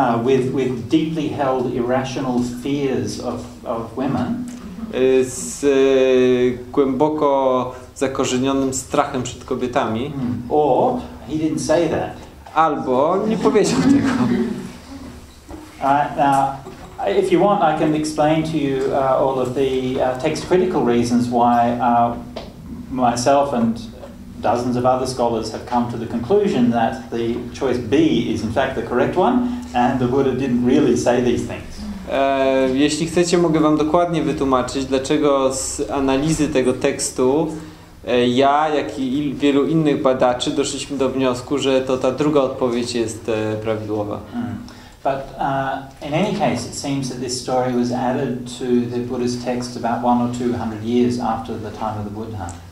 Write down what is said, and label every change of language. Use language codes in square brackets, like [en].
[en] With deeply held irrational fears of women. [pl] Z głęboko zakorzenionym strachem przed kobietami. [en] Or he didn't say that. [pl] Albo nie powiedział tego. [en] If you want, I can explain to you all of the text critical reasons why myself and dozens of other scholars have come to the conclusion that the choice B is in fact the correct one and the Buddha didn't really say these things. [pl] Jeśli chcecie, mogę wam dokładnie wytłumaczyć, dlaczego z analizy tego tekstu ja, jak i wielu innych badaczy doszliśmy do wniosku, że to ta druga odpowiedź jest prawidłowa. [en] But in any case, it seems that this story was added to the Buddhist text about 100 or 200 years after the time of the Buddha.